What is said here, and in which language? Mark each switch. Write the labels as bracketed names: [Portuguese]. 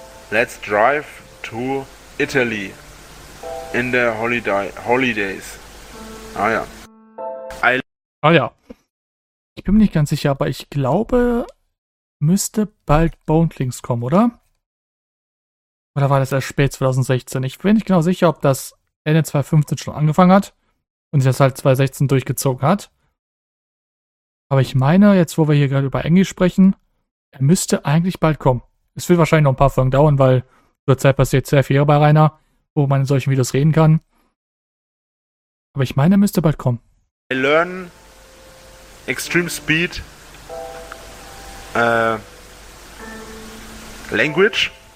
[English] Let's drive to Italy in the holidays. [German] Ah ja. Ich bin mir nicht ganz sicher, aber ich glaube, müsste bald Boundlings kommen, oder? Oder war das erst spät 2016? Ich bin nicht genau sicher, ob das Ende 2015 schon angefangen hat und sich das halt 2016 durchgezogen hat. Aber ich meine, jetzt wo wir hier gerade über Englisch sprechen, er müsste eigentlich bald kommen. Es wird wahrscheinlich noch ein paar Folgen dauern, weil zurzeit passiert sehr viel bei Reiner, wo man in solchen Videos reden kann. Aber ich meine, er müsste bald kommen. [English] I learn extreme speed language.